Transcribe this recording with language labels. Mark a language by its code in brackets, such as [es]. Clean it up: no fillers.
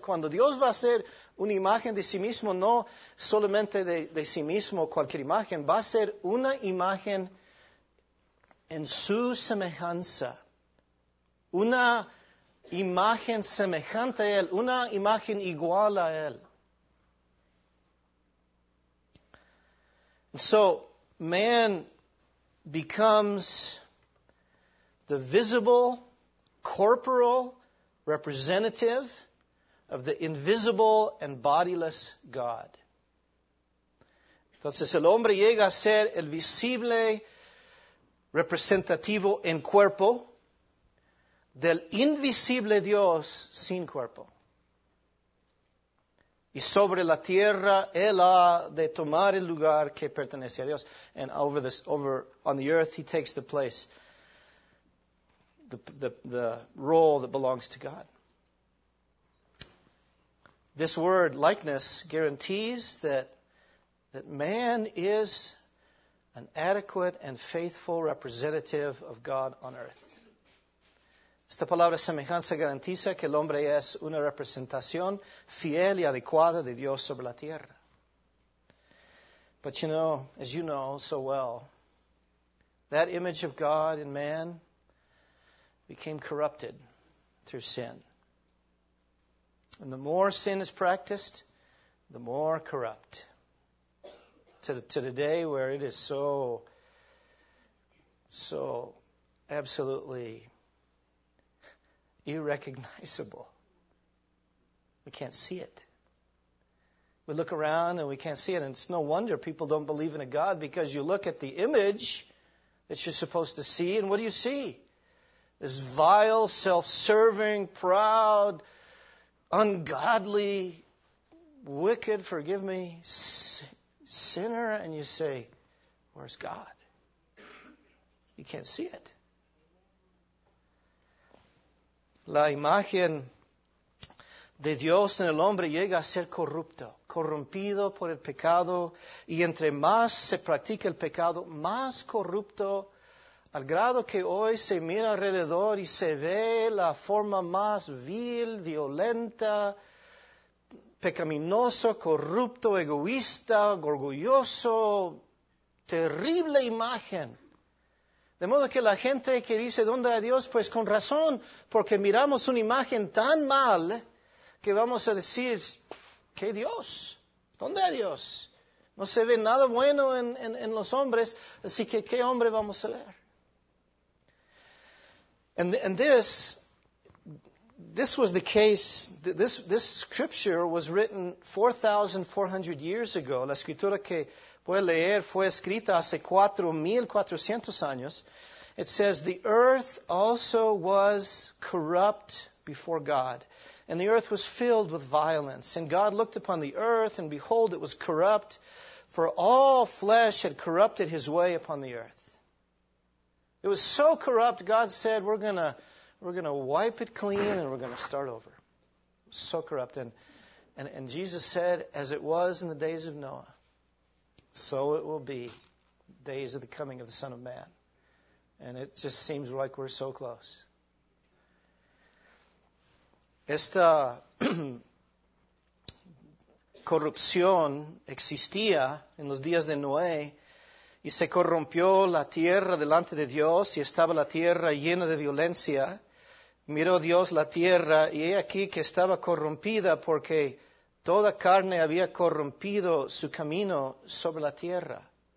[es] Cuando Dios va a hacer una imagen de sí mismo, no solamente de sí mismo, cualquier imagen, va a ser una imagen en su semejanza, una imagen semejante a Él, una imagen igual a Él. [en] So man becomes the visible, corporal representative of the invisible and bodiless God. [es] Entonces el hombre llega a ser el visible representativo en cuerpo del invisible Dios sin cuerpo. Y sobre la tierra, él ha de tomar el lugar que pertenece a Dios. [en] And over this, over on the earth, he takes the place, the role that belongs to God. This word, likeness, guarantees that man is an adequate and faithful representative of God on earth. Esta palabra semejanza garantiza que el hombre es una representación fiel y adecuada de Dios sobre la tierra. But you know, as you know so well, that image of God in man became corrupted through sin. And the more sin is practiced, the more corrupt. To the day where it is so absolutely irrecognizable. We can't see it. We look around and we can't see it. And it's no wonder people don't believe in a God, because you look at the image that you're supposed to see, and what do you see? This vile, self-serving, proud, ungodly, wicked, forgive me, sinner, and you say, where's God? You can't see it. [es] La imagen de Dios en el hombre llega a ser corrompido por el pecado, y entre más se practica el pecado, más corrupto, al grado que hoy se mira alrededor y se ve la forma más vil, violenta, pecaminoso, corrupto, egoísta, orgulloso, terrible imagen. De modo que la gente que dice, ¿dónde hay Dios? Pues con razón, porque miramos una imagen tan mal que vamos a decir, ¿qué Dios? ¿Dónde hay Dios? No se ve nada bueno en los hombres, así que ¿qué hombre vamos a ver? [en] And this was the case, this scripture was written 4,400 years ago. [es] La escritura que puede leer fue escrita hace 4,400 años. [en] It says, the earth also was corrupt before God. And the earth was filled with violence. And God looked upon the earth, and behold, it was corrupt. For all flesh had corrupted his way upon the earth. It was so corrupt, God said, we're gonna wipe it clean and we're gonna start over. So corrupt. And Jesus said, as it was in the days of Noah, so it will be days of the coming of the Son of Man. And it just seems like we're so close. [es] Esta corrupción existía en los días de Noé. Y se corrompió la tierra delante de Dios, y estaba la tierra llena de violencia. Miró Dios la tierra, y he aquí que estaba corrompida, porque toda carne había corrompido su camino sobre la tierra.